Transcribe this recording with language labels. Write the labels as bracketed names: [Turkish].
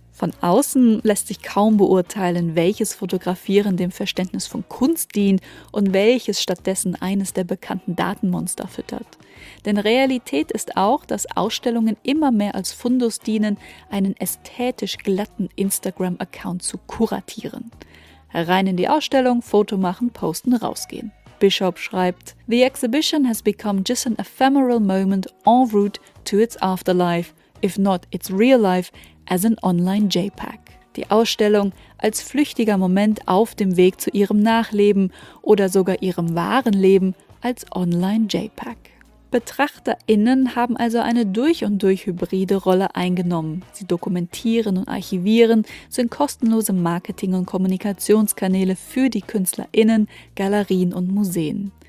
[German] Von außen lässt sich kaum beurteilen, welches Fotografieren dem Verständnis von Kunst dient und welches stattdessen eines der bekannten Datenmonster füttert. Denn Realität ist auch, dass Ausstellungen immer mehr als Fundus dienen, einen ästhetisch glatten Instagram-Account zu kuratieren. Rein in die Ausstellung, Foto machen, posten, rausgehen. Bishop schreibt, [English] "The exhibition has become just an ephemeral moment en route to its afterlife, if not its real life, as an online JPEG." [German] Die Ausstellung als flüchtiger Moment auf dem Weg zu ihrem Nachleben oder sogar ihrem wahren Leben als online JPEG. BetrachterInnen haben also eine durch und durch hybride Rolle eingenommen. Sie dokumentieren und archivieren, sind kostenlose Marketing- und Kommunikationskanäle für die KünstlerInnen, Galerien und Museen.